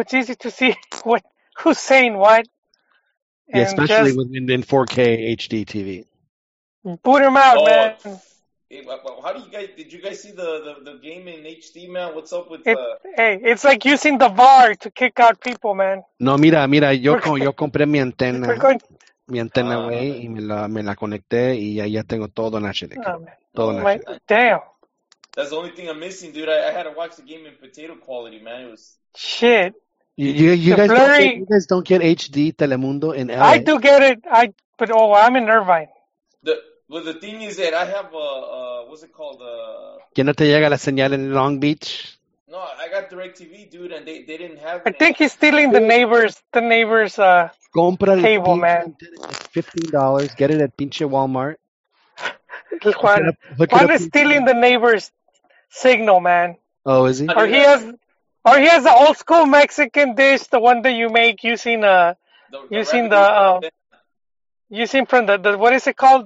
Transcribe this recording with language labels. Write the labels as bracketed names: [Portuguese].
[English] It's easy to see who's saying what. Yeah, and especially within 4K HD TV. Boot them out, man. How do you guys? Did you guys see the game in HD, man? What's up with It's like using the VAR to kick out people, man. [Spanish] No, mira, yo compré mi antena, güey, y me la conecté y ya ya tengo todo en HD. [English] Damn. That's the only thing I'm missing, dude. I had to watch the game in potato quality, man. It was shit. You guys don't get HD Telemundo in LA. I do get it. But I'm in Irvine. The Well, the thing is that I have what's it called? [Spanish] Que no te llega la señal in Long Beach? [English] No, I got DirecTV, dude, and they didn't have it. I think he's stealing the neighbor's cable, [Spanish] pinche, [English] man. $15, get it at pinche Walmart. Juan is stealing the neighbor's signal, man. Oh, is he? Or he has the old school Mexican dish, the one that you make using what is it called?